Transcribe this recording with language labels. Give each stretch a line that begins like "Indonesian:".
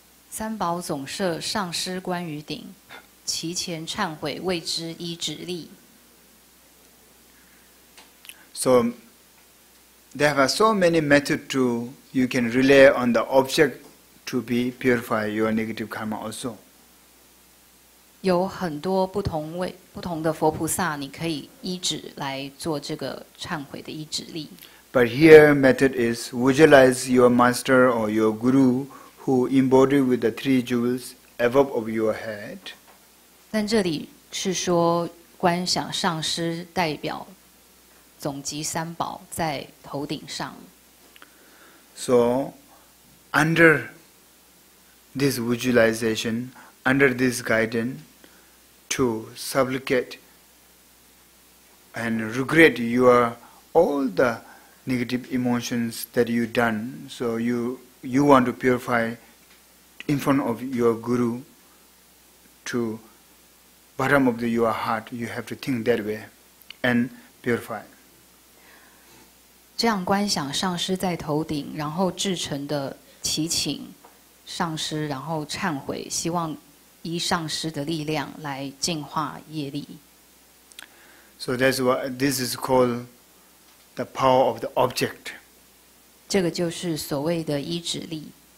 Chinese: 三宝总摄上师观于顶，其前忏悔为之依止力。
English: So there are so many methods to you can rely on the object to be purify your negative karma also.
Chinese: 有很多不同的佛菩萨，你可以依止来做这个忏悔的依止力。
English: But here method is visualize your master or your guru who embodied with the three jewels above of your head.
Chinese: 但这里是说观想上师代表总集三宝在头顶上。
English: So under this visualization, under this guidance. To supplicate and regret your all the negative emotions that you done, so you you want to purify in front of your guru to bottom of your heart, you have to think that way and purify.
Chinese: 这样观想上师在头顶，然后至诚的祈请上师，然后忏悔，希望依上师的力量来净化业力。
English: So that's what this is called, the power of the object.
Chinese: 这个就是所谓的依止力。